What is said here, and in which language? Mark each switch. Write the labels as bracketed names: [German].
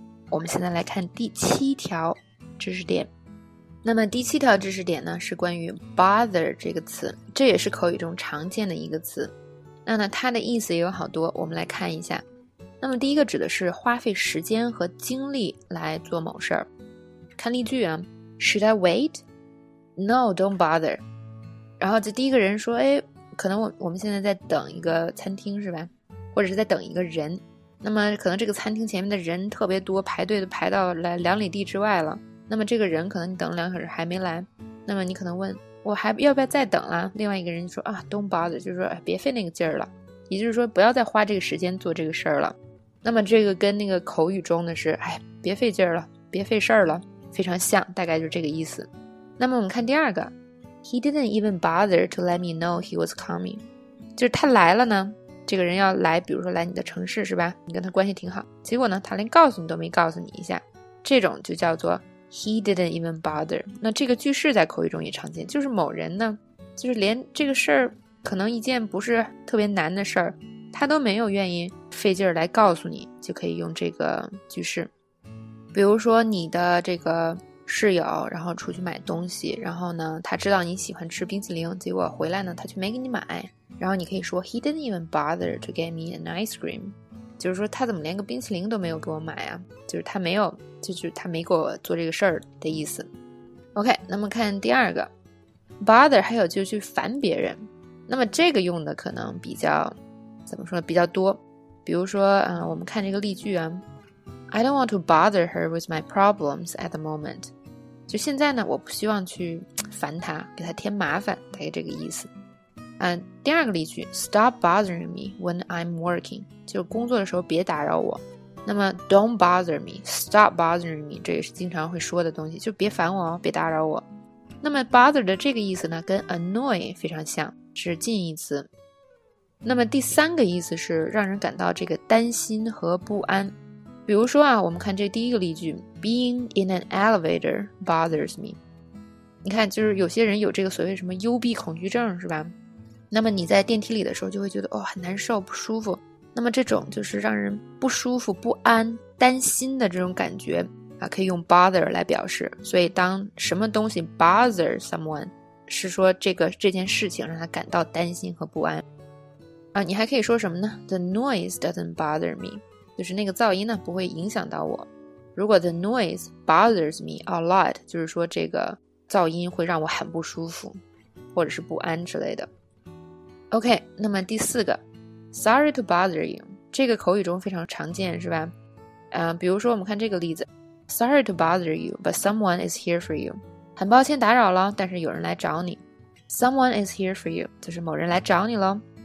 [Chinese] 我们现在来看第七条知识点。那么第七条知识点呢，是关于 bother 这个词，这也是口语中常见的一个词。那呢，它的意思也有好多，我们来看一下。那么第一个指的是花费时间和精力来做某事儿。看例句啊 [English] ，Should I wait? No, don't bother. [Chinese] 然后这第一个人说，哎，可能我们现在在等一个餐厅是吧，或者是在等一个人，那么可能这个餐厅前面的人特别多，排队都排到来两里地之外了，那么这个人可能你等了两个小时还没来，那么你可能问我还要不要再等了，另外一个人说啊 [English] don't bother， [Chinese] 就是说别费那个劲儿了，也就是说不要再花这个时间做这个事儿了，那么这个跟那个口语中的是哎别费劲儿了，别费事儿了，非常像，大概就是这个意思。那么我们看第二个， [English] He didn't even bother to let me know he was coming. [Chinese] 就是他来了呢，这个人要来，比如说来你的城市是吧，你跟他关系挺好，结果呢他连告诉你都没告诉你一下，这种就叫做 [English] He didn't even bother. [Chinese] 那这个句式在口语中也常见，就是某人呢，就是连这个事儿，可能一件不是特别难的事儿，他都没有愿意费劲儿来告诉你，就可以用这个句式。比如说你的这个室友然后出去买东西，然后呢他知道你喜欢吃冰淇淋，结果回来呢他却没给你买，然后你可以说 [English] He didn't even bother to get me an ice cream， [Chinese] 就是说他怎么连个冰淇淋都没有给我买啊，就是他没有，就是他没给我做这个事儿的意思。 OK， 那么看第二个 bother， 还有就是去烦别人，那么这个用的可能比较怎么说比较多，比如说我们看这个例句啊， [English] I don't want to bother her with my problems at the moment. [Chinese] 就现在呢，我不希望去烦她，给她添麻烦，大概这个意思。第二个例句 [English] ,stop bothering me when I'm working. [Chinese] 就工作的时候别打扰我。那么 , [English] don't bother me, stop bothering me, [Chinese] 这也是经常会说的东西，就别烦我哦，别打扰我。那么 bother 的这个意思呢，跟 annoy 非常像，是近义词。那么第三个意思是让人感到这个担心和不安。比如说啊，我们看这第一个例句 , [English] being in an elevator bothers me. [Chinese] 你看就是有些人有这个所谓什么幽闭恐惧症是吧，那么你在电梯里的时候就会觉得哦很难受不舒服。那么这种就是让人不舒服不安担心的这种感觉啊，可以用 bother 来表示。所以当什么东西 bother someone, 是说这件事情让他感到担心和不安。啊，你还可以说什么呢 [English] ?The noise doesn't bother me. [Chinese] 就是那个噪音呢不会影响到我，如果 [English] the noise bothers me a lot， [Chinese] 就是说这个噪音会让我很不舒服或者是不安之类的。 OK， 那么第四个 [English] sorry to bother you， [Chinese] 这个口语中非常常见是吧，比如说我们看这个例子 [English] sorry to bother you but someone is here for you， [Chinese] 很抱歉打扰了但是有人来找你， [English] someone is here for you [Chinese] 就是某人来找你了。